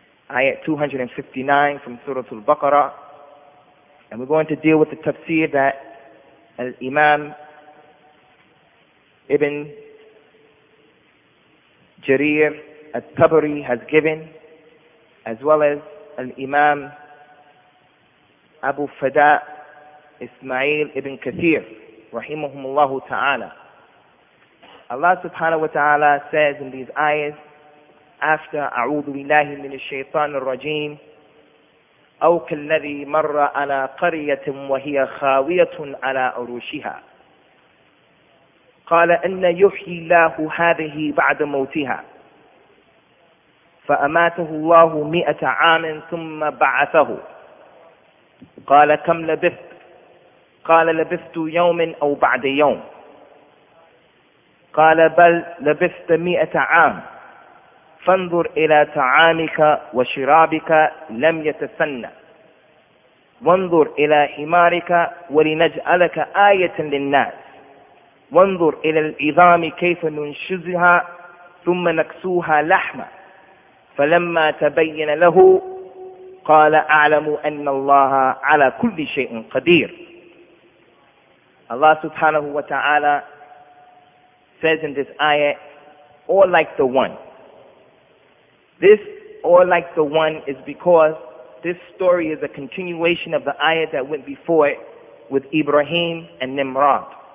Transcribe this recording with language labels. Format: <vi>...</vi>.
<en>Ayat 259 from Surah Al-Baqarah. And we're going to deal with the tafsir that Al-Imam Ibn Jarir Al-Tabari has given, as well as Al-Imam Abu Fada Ismail Ibn Kathir Rahimahumullahu Ta'ala. Allah subhanahu wa ta'ala says in these ayahs, after</en> <ar>أعوذ بالله من الشيطان الرجيم أو كالذي مر على قرية وهي خاوية على عروشها قال أن يحيي الله هذه بعد موتها فأماته الله 100 عام ثم بعثه قال كم لبثت قال لبثت يوما أو بعد يوم قال بل لبثت 100 عام فانظر إلى طعامك وشرابك لم يتسن وانظر إلى حمارك ولنجعلك آية للناس وانظر إلى العظام كيف ننشزها ثم نكسوها لحما فلما تبين له قال أعلم أن الله على كل شيء قدير. الله سبحانه وتعالى</ar> <en>says in this ayah, or like the one. This or like the one is because this story is a continuation of the ayah that went before it with Ibrahim and Nimrod.</en>